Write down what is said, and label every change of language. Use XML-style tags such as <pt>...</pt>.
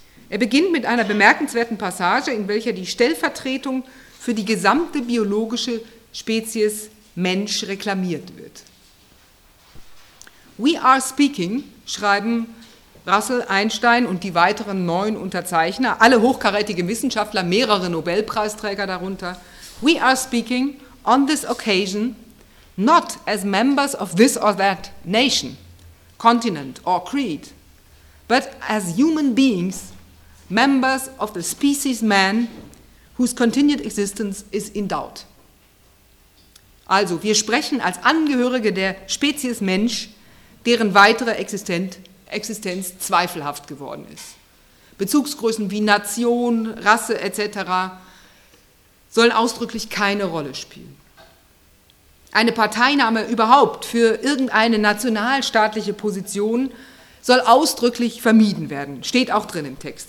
<de>Er beginnt mit einer bemerkenswerten Passage, in welcher die Stellvertretung für die gesamte biologische Spezies Mensch reklamiert wird.</de> <en>We are speaking,</en> <de>schreiben Russell, Einstein und die weiteren 9 Unterzeichner, alle hochkarätige Wissenschaftler, mehrere Nobelpreisträger darunter.</de> <en>We are speaking on this occasion not as members of this or that nation, continent or creed, but as human beings, members of the species man whose continued existence is in doubt.</en> <de>Also, wir sprechen als Angehörige der Spezies Mensch, deren weitere Existenz zweifelhaft geworden ist. Bezugsgrößen wie Nation, Rasse etc. sollen ausdrücklich keine Rolle spielen. Eine Parteinahme überhaupt für irgendeine nationalstaatliche Position soll ausdrücklich vermieden werden, steht auch drin im Text.</de>